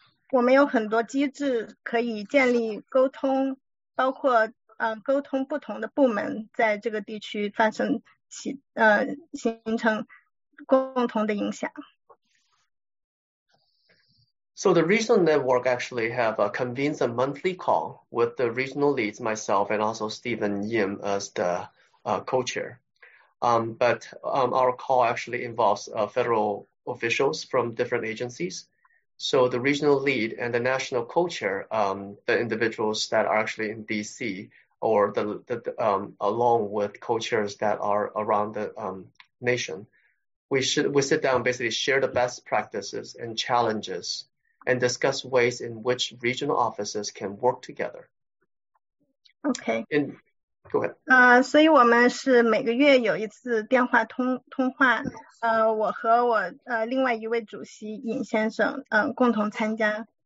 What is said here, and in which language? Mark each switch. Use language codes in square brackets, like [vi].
[zh] 我们有很多机制可以建立沟通，包括沟通不同的部门在这个地区发生形成共同的影响。 [en] So the regional network actually have convened a monthly call with the regional leads, myself and also Stephen Yim as the co-chair. But our call actually involves federal officials from different agencies. So the regional lead and the national co-chair, the individuals that are actually in DC or the along with co-chairs that are around the nation, we sit down and basically share the best practices and challenges and discuss ways in which regional offices can work together. Okay. And, go ahead. [zh] 所以我们是每个月有一次电话通话，我和我另外一位主席尹先生共同参加。